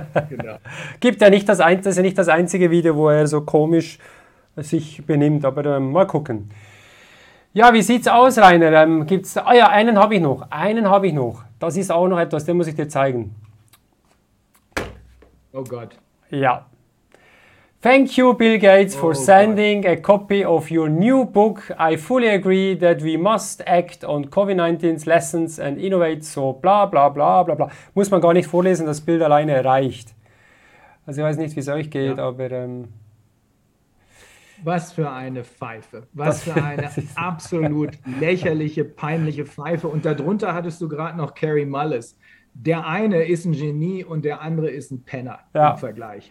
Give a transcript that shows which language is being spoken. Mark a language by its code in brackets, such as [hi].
[de] Genau. Gibt ja nicht das ein, das ist ja nicht das einzige Video, wo er so komisch sich benimmt. Aber mal gucken. Ja, wie sieht's aus, Rainer? Gibt's? Ah ja, einen habe ich noch. Einen habe ich noch. Das ist auch noch etwas, den muss ich dir zeigen. Oh Gott. Ja. [en] Thank you, Bill Gates, for sending a copy of your new book. I fully agree that we must act on COVID-19's lessons and innovate, so bla bla bla bla bla. [de] Muss man gar nicht vorlesen, das Bild alleine reicht. Also ich weiß nicht, wie es euch geht, ja. Aber... Was für eine Pfeife. Was für eine absolut lächerliche, peinliche Pfeife. Und darunter hattest du gerade noch Carey Mullis. Der eine ist ein Genie und der andere ist ein Penner, ja, im Vergleich.